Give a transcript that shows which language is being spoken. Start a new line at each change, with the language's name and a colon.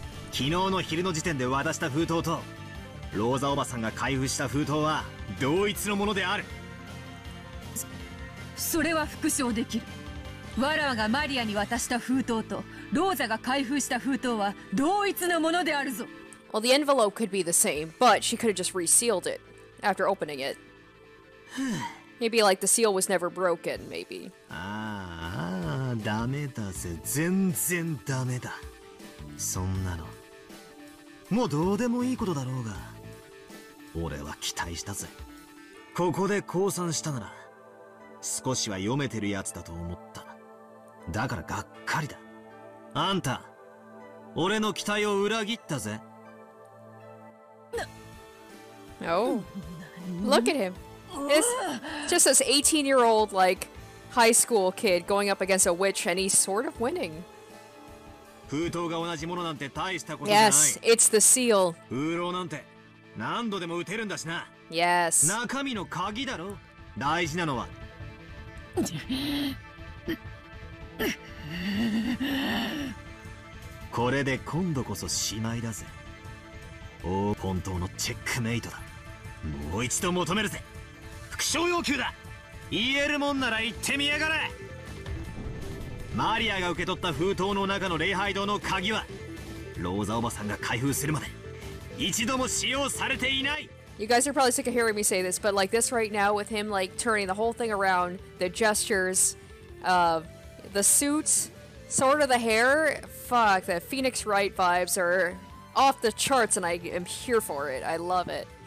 Japanese: 昨日の昼の時点で渡した封筒とローザおばさんが開封した封筒は同一のものである。それは復唱できる。わらわがマリアに渡した封筒とローザが開封した封筒は同一のものであるぞ。
English: Well, the envelope could be the same, but she could have just resealed it after opening it. Maybe like the seal was never broken, maybe.
Japanese: ああ、ダメだぜ。全然ダメだ。そんなの。もうどうでもいいことだろうが。俺は期待したぜ。ここで降参したなら、少しは読めてるやつだと思った。だからがっかりだ。あんた、俺の期待を裏切ったぜ。
English: Look at him. It's just this 18-year-old, like, high school kid going up against a witch, and he's sort of winning.
Japanese: 封筒が同じものなんて大したことじゃない。
English: Yes, it's the seal.
Japanese: 封筒なんて何度でも打てるんだしな。
English: Yes.
Japanese: 中身の鍵だろ。大事なのは。これで今度こそしまいだぜ。おお、本当のチェックメイトだ。もう一度求めるぜ。復唱要求だ。言えるもんなら言ってみやがれ。マリアが受け取った封筒の中の礼拝堂の鍵はローザおばさんが開封するまで一度も使用されていない。
English: You guys are probably sick of hearing me say this, but like this right now with him like turning the whole thing around, the gestures, the suit, sort of the hair, fuck, the Phoenix Wright vibes are off the charts and I am here for it. I love it.